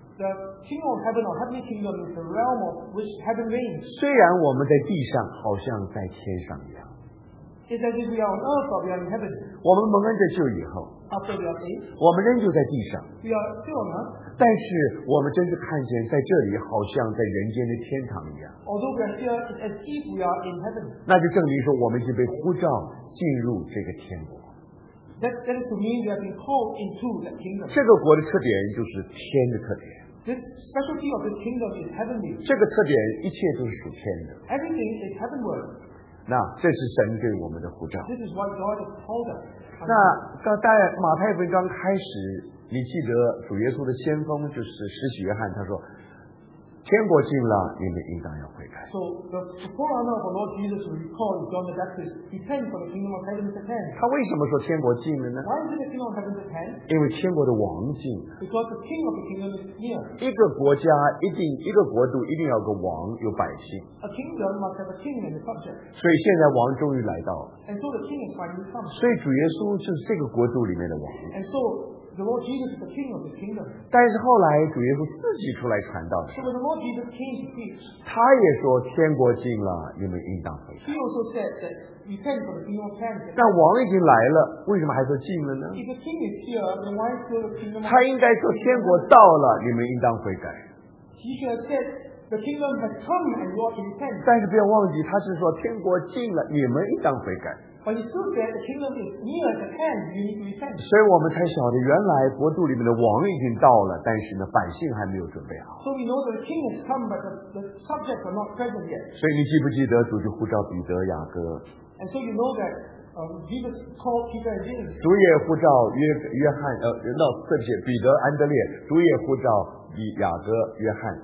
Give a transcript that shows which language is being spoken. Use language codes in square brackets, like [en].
[en] The kingdom of heaven or heavenly kingdom is the realm of which heaven reigns. [zh] 虽然我们在地上好像在天上一样。 [en] It's as if we are on earth or we are in heaven. [zh] 我们蒙恩得救以后， [en] After we are saved, [zh] 我们仍旧在地上。 [en] We are still on earth. [zh] 但是我们真是看见在这里好像在人间的天堂一样。 [en] Although we are here, it's as if we are in heaven. [zh] 那就证明说我们已经被呼召进入这个天国。 [en] That is to mean we have been called into that kingdom. [zh] 这个国的特点就是天的特点。 [en] This specialty of this kingdom is heavenly. [zh] 这个特点一切都是属天的。 [en] Everything is heavenward. [zh] 那这是神对我们的呼召。 [en] This is what God has called us. [zh] 那刚在马太福音刚开始，你记得主耶稣的先锋就是施洗约翰，他说：“天国近了，你们应当要悔改。” [en] So the forerunner of the Lord Jesus, who called John the Baptist, he came for the kingdom of heaven at hand. [zh] 他为什么说天国近了呢？ [en] Why is the kingdom of heaven at hand? [zh] 因为天国的王近。 [en] Because the king of the kingdom is near. [zh] 一个国家一定，一个国度一定要有个王，有百姓。 [en] A kingdom must have a king and a subject. [zh] 所以现在王终于来到了。 [en] And so the king is finally come. [zh] 所以主耶稣就是这个国度里面的王。 [en] And so. The Lord Jesus is the King of the Kingdom. [zh] 但是后来主耶稣自己出来传道。 [en] So when the Lord Jesus came to preach, [zh] 他也说天国近了，你们应当悔改。 [en] He also said that repent for the kingdom of heaven. [zh] 但王已经来了，为什么还说近了呢？ [en] If the king is here, then why is still the kingdom of heaven? [zh] 他应该说天国到了，你们应当悔改。 [en] He should have said the kingdom has come and you ought to repent. [zh] 但是不要忘记，他是说天国近了，你们应当悔改。 [en] But you still get the kingdom is near at hand, you need to repent. [zh] 所以我们才晓得原来国度里面的王已经到了，但是呢百姓还没有准备好。 [en] So we know the king has come, but the subjects are not present yet. [zh] 所以你记不记得主就呼召彼得雅各。 [en] And so you know that Jesus called Peter and James. [zh] 主也呼召约翰彼得安德烈，主也呼召雅各约翰。